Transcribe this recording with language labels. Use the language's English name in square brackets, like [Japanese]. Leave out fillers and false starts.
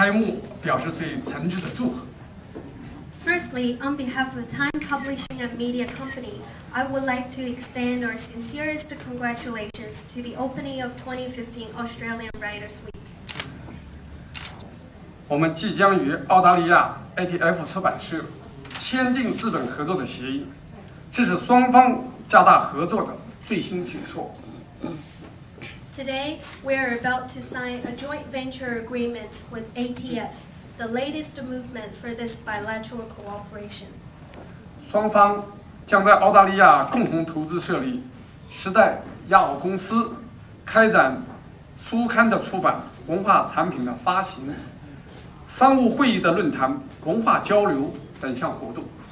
[Chinese] 首先，我要代表时代传媒公司，向2015年澳大利亚的文学周开幕表示最诚挚的祝贺。 [English] Firstly, on behalf of Time Publishing and Media Company, I would like to extend our sincerest congratulations to the opening of 2015 Australian Writers Week. [Chinese] 我们即将与澳大利�A ATF 出版社签订资本合作的协议，这是双方加大合作的最新举措。 [English] Today, we are about to sign a joint venture agreement with ATF, the latest movement for this bilateral cooperation. [Chinese] 双方 将在澳大利亚共同投资设立时代亚奥公司，开展书刊的出版、文化产品的发行、商务会议的论坛、文化交流等项活动。